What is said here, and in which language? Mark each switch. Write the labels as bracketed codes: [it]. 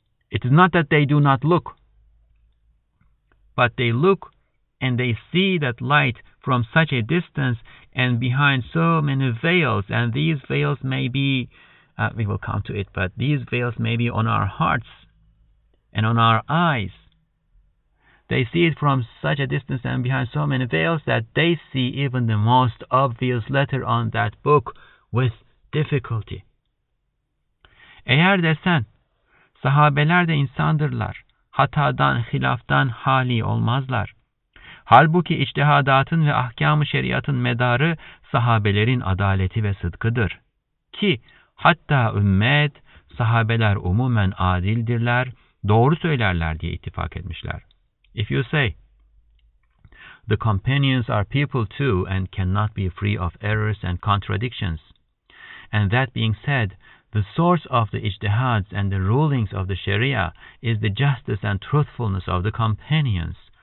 [en] It is not that they do not look, but they look and they see that light from such a distance and behind so many veils, and these veils may be, we will come to it, but these veils may be on our hearts and on our eyes. They see it from such a distance and behind so many veils that they see even the most obvious letter on that book with difficulty. [tr] Eğer desen, sahabeler de insandırlar, hatadan, hilaftan hali olmazlar. Halbuki içtihadatın ve ahkam-ı şeriatın medarı sahabelerin adaleti ve sıdkıdır. Ki hatta ümmet, sahabeler umumen adildirler, doğru söylerler diye ittifak etmişler. [en] If you say, the companions are people too and cannot be free of errors and contradictions. And that being said, the source of the ijtihads and the rulings of the sharia is the justice and truthfulness of the companions.